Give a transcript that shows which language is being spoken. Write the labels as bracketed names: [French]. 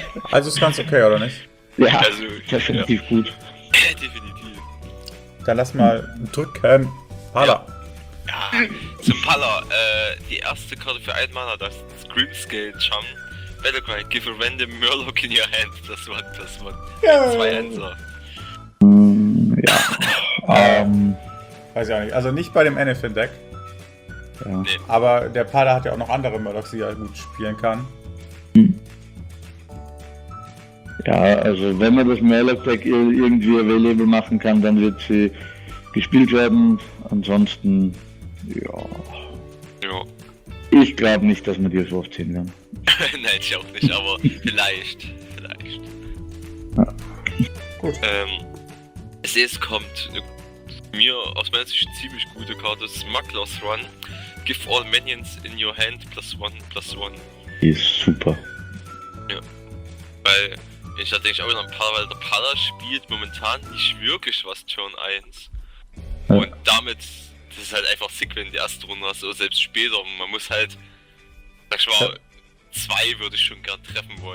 [German] Also ist ganz okay, oder nicht? Ja, also, definitiv ja. Gut. Definitiv. Dann lass mal drücken. Pala. Ja, zum Pala. Die erste Karte für einen Mana, das Screamscale Chum. [English] Battlecry, give a random Murloc in your hand. [German] Das war. Zwei Händler. Ja. Weiß ich auch nicht. Also nicht bei dem Anifin Deck. Ja. Nee. Aber der Pala hat ja auch noch andere Murlocs, die er gut spielen kann. Ja, also wenn man das Murloc Deck irgendwie available machen kann, dann wird sie gespielt werden. Ansonsten, ja. Ja. Ich glaube nicht, dass man die so oft sehen werden. Nein, ich auch nicht, aber vielleicht. Vielleicht. Ja. Gut. Es kommt mir aus meiner Sicht eine ziemlich gute Karte, Smuggler's Run. [English] Give all minions in your hand +1/+1. [German] Die ist super. Ja. Weil ich hatte eigentlich auch noch ein paar, weil der Pala spielt momentan nicht wirklich was Turn 1. Ja. Und damit, das ist halt einfach sick, wenn die erste Runde hast, oder selbst später. Man muss halt, sag ich mal, 2 würde ich schon gern treffen wollen.